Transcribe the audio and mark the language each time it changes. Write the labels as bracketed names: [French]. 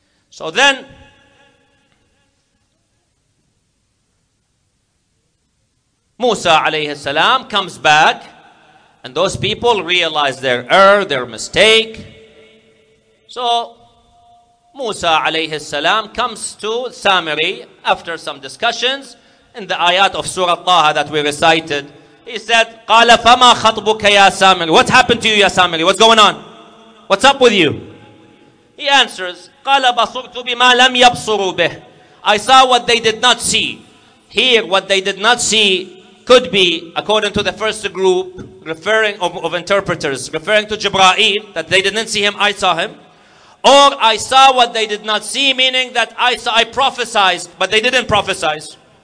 [English] So then, Musa alayhi salam comes back, and those people realize their error, their mistake. So Musa alayhi salam comes to Samiri after some discussions in the ayat of Surah Taha that we recited. He said, [Arabic] قَالَ فَمَا خَطْبُكَ يَا سَامِرِي. [English] What happened to you, [Arabic] يَا سَامِرِي? [English] What's going on? What's up with you? He answers, [Arabic] قَالَ بَصُرْتُ بِمَا لَمْ يَبْصُرُوا بِهِ. [English] I saw what they did not see. Here, what they did not see could be, according to the first group referring of interpreters, referring to Jibra'il, that they didn't see him, I saw him. Or, I saw what they did not see, meaning that I prophesied, but they didn't prophesize.